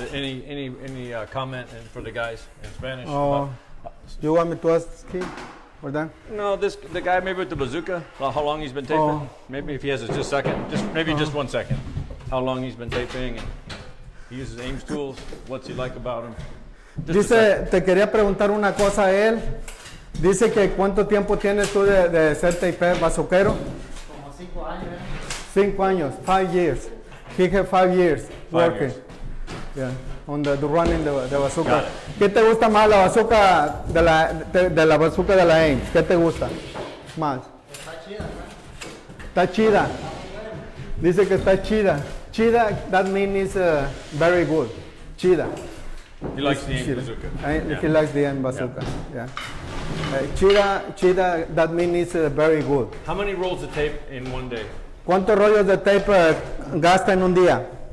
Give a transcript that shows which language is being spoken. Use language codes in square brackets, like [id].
[en] Any comment for the guys in Spanish? Oh, you want me to ask Keith? We're done? No, the guy maybe with the bazooka, how long he's been taping. Maybe if he has just a second, just 1 second. How long he's been taping, and he uses Ames tools. What's he like about him? [es] Dice, te quería preguntar una cosa a él. Dice que cuánto tiempo tienes tú de ser taper bazuquero. Como 5 años. 5 años, [en] 5 years. He had 5 years working. Yeah, on the running the bazooka. [es] ¿Qué te gusta más, la bazooka de la bazooka de la Ames? ¿Qué te gusta más? Está chida, ¿no? Está chida. Dice que está chida. Chida, [en] that means it's very good. [es] Chida. [en] He likes the Ames bazooka. He likes the Ames bazooka, chida, chida, that means it's very good. How many rolls of tape in one day? [es] ¿Cuántos rollos de tape gasta en un día?